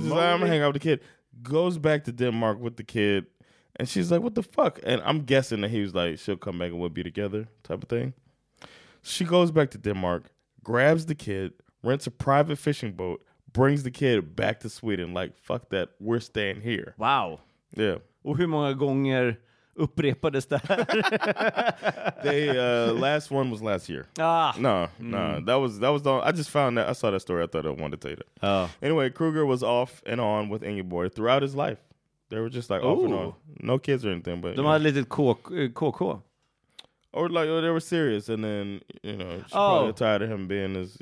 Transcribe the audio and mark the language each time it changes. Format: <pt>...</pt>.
<en>She's like, I'm gonna hang out with the kid. Goes back to Denmark with the kid. And she's like, what the fuck? And I'm guessing that he was like, she'll come back and we'll be together type of thing. She goes back to Denmark, grabs the kid, rents a private fishing boat, brings the kid back to Sweden. Like, fuck that. We're staying here. Wow. Yeah.</en> <sv>Och hur många gånger upprepades det här?</sv> <en>They last one was last year. Ah. No, no. Mm. That was the only, I just found that. I saw that story. I thought I wanted to tell you that. Oh. Anyway, Kreuger was off and on with Ingeborg throughout his life. They were just like off and on. No kids or anything. But</en> <sv>de hade lite KK.</sv> <en>Or like, or they were serious. And then, you know, she probably tired of him being his.</en>